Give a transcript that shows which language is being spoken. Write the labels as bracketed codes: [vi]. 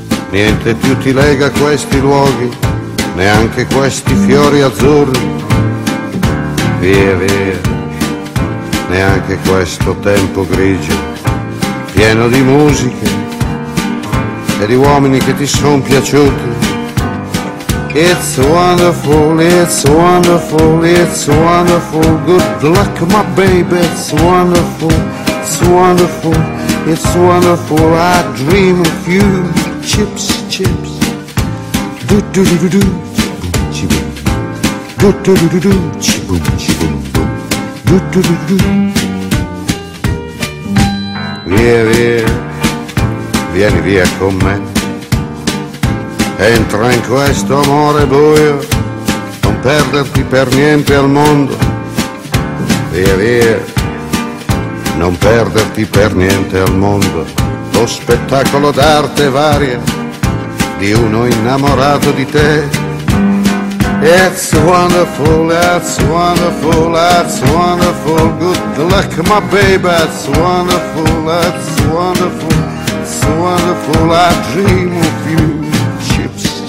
[it] Niente più ti lega a questi luoghi, neanche questi fiori azzurri. Via, via, neanche questo tempo grigio, pieno di musiche e di uomini che ti son piaciuti. [en] It's wonderful, it's wonderful, it's wonderful. Good luck, my baby, it's wonderful, it's wonderful, it's wonderful. I dream of you, chips, chips. Do-do-do-do-do, chibum-chibum. Do-do-do-do-do, chibum-chibum-bum. Do-do-do-do-do. [it] Via, via, vieni via con me. Entra in questo amore buio, non perderti per niente al mondo. Via, via, non perderti per niente al mondo. Lo spettacolo d'arte varia di uno innamorato di te. [en] It's wonderful, that's wonderful, that's wonderful. Good luck, my baby, that's wonderful, that's wonderful, it's wonderful, I dream of you.